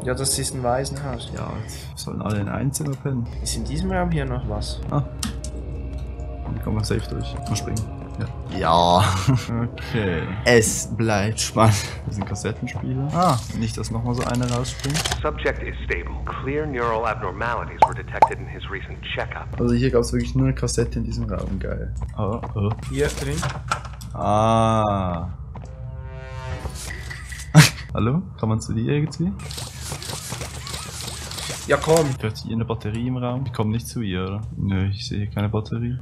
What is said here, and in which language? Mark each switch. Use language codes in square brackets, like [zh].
[de] Ja, das ist ein Waisenhaus. Ja, sollen alle in ein Zimmer pennen. Ist in diesem Raum hier noch was? Ah. Dann kommen wir safe durch. Mal springen. Ja. Okay. Es bleibt spannend. Das sind Kassettenspiele. Ah, nicht, dass nochmal so eine rausspringt. [en] Subject is stable. Clear neural abnormalities were detected in his recent checkup. [de] Also hier gab es wirklich nur eine Kassette in diesem Raum. Geil. Oh, oh. Hier drin. Ah. Hallo? Kann man zu dir irgendwie? Ja, komm! Vielleicht hier eine Batterie im Raum? Ich komme nicht zu ihr, oder? Nö, ich sehe keine Batterie.